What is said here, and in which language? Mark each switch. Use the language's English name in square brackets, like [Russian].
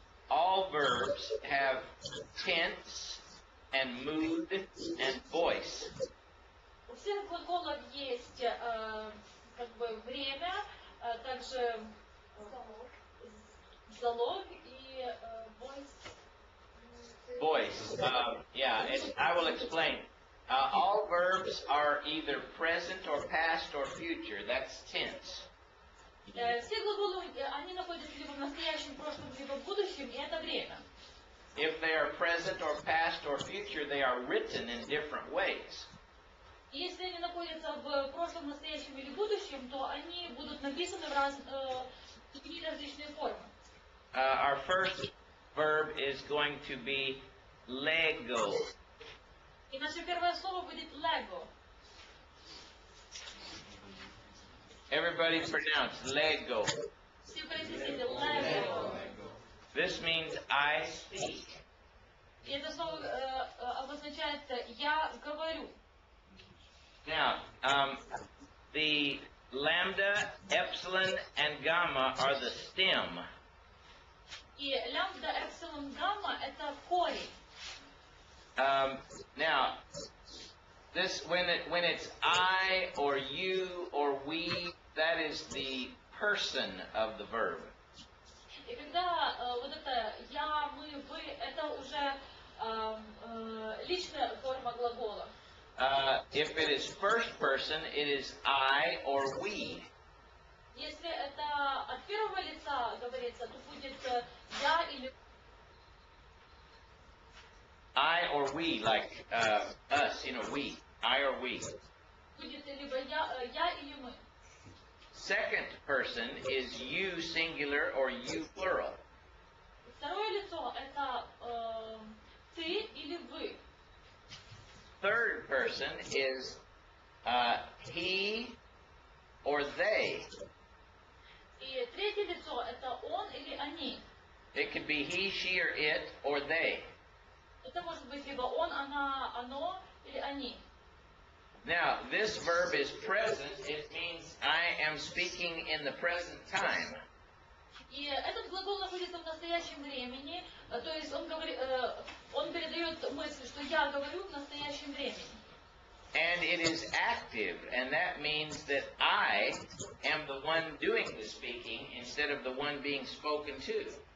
[English] All verbs have tense and mood and voice. [Russian] У всех глаголов есть как бы время, также залог и voice. [English] Voice. I will explain. All verbs are either present or past or future. That's tense. [Russian] Все глаголы, они находятся либо в настоящем, прошлом, либо в будущем, и это время. [English] If they are present or past or future, they are written in different ways. [Russian] Если они находятся в прошлом, настоящем или будущем, то они будут написаны в три различные формы. [English] Our first verb is going to be Lego. [Russian] И наше первое слово будет Lego. [English] Everybody pronounce Lego. [Russian] Все произнесите Lego. [English] This means I speak. [Russian] И это слово обозначает я говорю. [English] Now, the lambda, epsilon, and gamma are the stem. [Russian] И лямбда, эпсилон, гамма — это корень. [English] Now, this when it's I or you or we, that is the person of the verb. [Russian] И когда вот это я, мы, вы, это уже личная форма глагола. [English] If it is first person, it is I or we. [Russian] Если это от первого лица говорится, то будет я или [English] I or we, like us, you know, we. I or we. [Russian] Будет либо я или мы. [English] Second person is you singular or you plural. [Russian] Второе лицо это ты или вы. [English] Third person is he or they. [Russian] И третье лицо это он или они. [English] It could be he, she, or it, or they. [Russian] Это может быть либо он, она, оно или они. [English] Now, this verb is present. It means I am speaking in the present time. [Russian] И этот глагол находится в настоящем времени, то есть он передает мысль, что я говорю в настоящем времени. [English] And it is active, and that means that I am the one doing the speaking instead of the one being spoken to.